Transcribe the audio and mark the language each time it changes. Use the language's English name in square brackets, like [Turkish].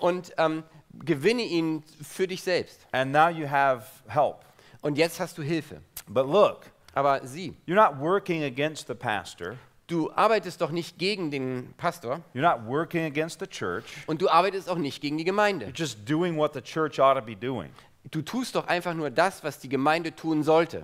[German] Und gewinne ihn für dich selbst. [English] And now you have help. [German] Und jetzt hast du Hilfe. [English] But look, [German] aber sieh, [English] you're not working against the pastor. [German] Du arbeitest doch nicht gegen den Pastor. [English] You're not working against the church. [German] Und du arbeitest auch nicht gegen die Gemeinde. [English] You're just doing what the church ought to be doing. [German] Du tust doch einfach nur das, was die Gemeinde tun sollte.